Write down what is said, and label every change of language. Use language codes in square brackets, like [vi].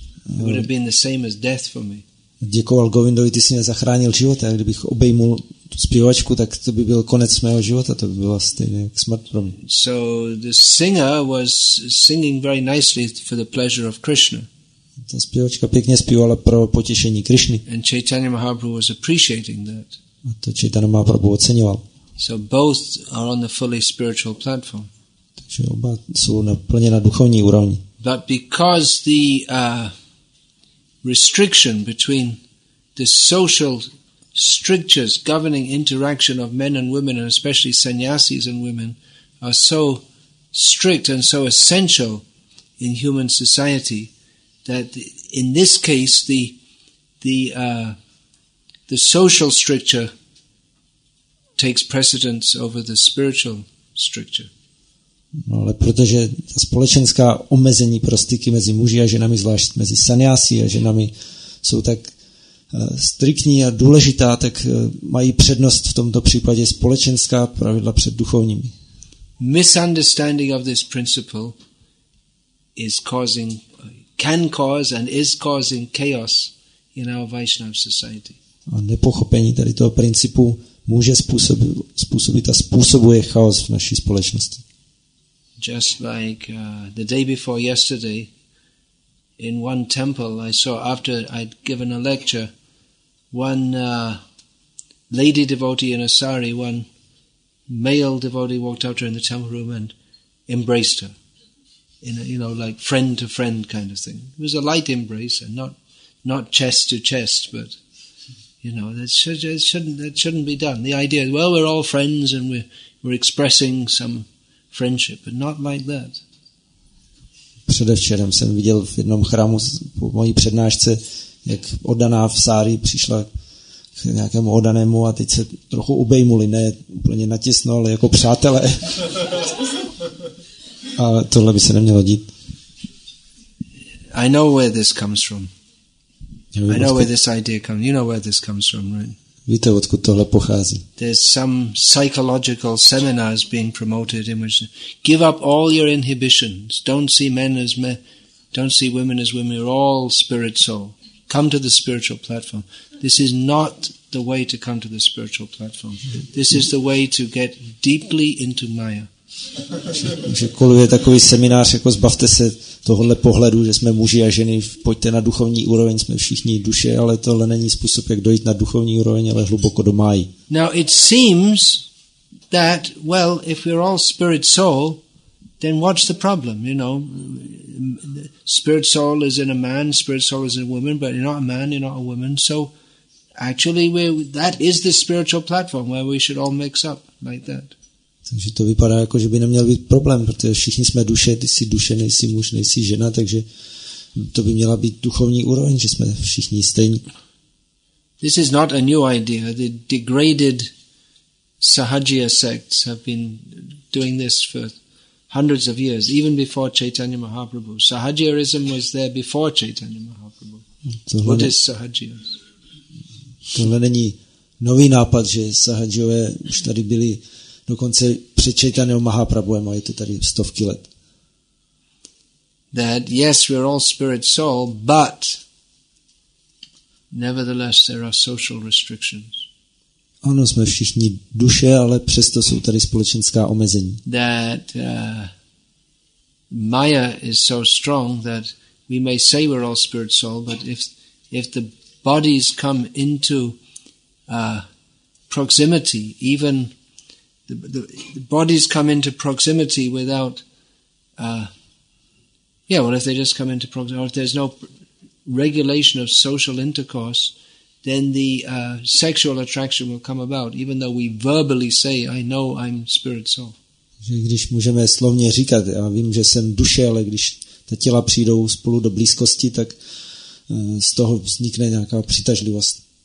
[en] It would have been the same as death for me." [cs] Děkoval Govindovi, ty jsi mě zachránil život, a kdybych obejmul tu zpěvačku, tak to by byl konec mého života, to by byla stejně jak smrt pro mě. [en] So the singer was singing very nicely for the pleasure of Krishna. [cs] Ta zpěvačka pěkně zpívala pro potěšení Krishny. [en] And Chaitanya Mahaprabhu was appreciating that. [cs] A to Chaitanya Mahaprabhu oceňoval. [en] So both are on the fully spiritual platform. [cs] Takže oba jsou plně na duchovní úrovni. [en] But because the restriction between the social strictures governing interaction of men and women, and especially sannyasis and women, are so strict and so essential in human society, that in this case the social stricture takes precedence over the spiritual stricture. [cs] No, ale protože ta společenská omezení pro styky mezi muži a ženami, zvlášť mezi sannyasi a ženami, jsou tak striktní a důležitá, tak mají přednost v tomto případě společenská pravidla před duchovními. [en] Misunderstanding of this principle is causing, can cause and is causing chaos in our Vaishnava society. [cs] A nepochopení tady toho principu může způsobit a způsobuje chaos v naší společnosti. [en] Just like the day before yesterday, in one temple, I saw after I'd given a lecture, one lady devotee in a sari, one male devotee walked up to her in the temple room and embraced her, in a, you know, like friend to friend kind of thing. It was a light embrace, and not chest to chest, but you know that shouldn't be done. The idea, well, we're all friends and we're expressing some friendship, but not like that. [cs] Předevčerem jsem viděl v jednom chrámu po mojí přednášce, jak oddaná v sári přišla k nějakému oddanému a teď se trochu obejmuli, ne úplně natisno, ale jako přátelé. A tohle by se nemělo dít. [en] I know where this comes from. I know where this idea comes. You know where this comes from, right? [cs] Víte, odkud tohle pochází? [en] There's some psychological seminars being promoted in which give up all your inhibitions. Don't see men as men. Don't see women as women. You're all spirit soul. Come to the spiritual platform. This is not the way to come to the spiritual platform. This is the way to get deeply into Maya. [cs] Že koluje takový seminář, jako zbavte se tohohle pohledu, že jsme muži a ženy, pojďte na duchovní úroveň, jsme všichni duše, ale tohle není způsob, jak dojít na duchovní úroveň, ale hluboko do Máji. [en] Now it seems that, well, if we're all spirit soul, then what's the problem, you know? Spirit soul is in a man, spirit soul is in a woman, but you're not a man, you're not a woman, so actually that is the spiritual platform where we should all mix up like that. [cs] Takže to vypadá jako, že by neměl být problém, protože všichni jsme duše, ty jsi duše, nejsi muž, nejsi žena, takže to by měla být duchovní úroveň, že jsme všichni stejní. [en] This is not a new idea. The degraded Sahajiya sects have been doing this for hundreds of years, even before Chaitanya Mahaprabhu. Sahajiyaism was there before Chaitanya Mahaprabhu. What is Sahajiya? [cs] Tohle není nový nápad, že Sahajiové už tady byli dokonce před Chaitanyou Mahaprabhuem, a je to tady stovky let. [en] That yes, we're all spirit soul, but nevertheless there are social restrictions. [cs] Ano, jsme všichni duše, ale přesto jsou tady společenská omezení. [en] That Maya is so strong that we may say we're all spirit soul, but if the bodies come into proximity, even the bodies come into proximity without if they just come into proximity, or if there's no regulation of social intercourse, then the sexual attraction will come about, even though we verbally say, I know I'm spirit soul. [cs] Že když můžeme slovně říkat, já vím, že jsem duše, ale když ta těla přijdou spolu do blízkosti, tak z toho vznikne nějaká přitažlivost.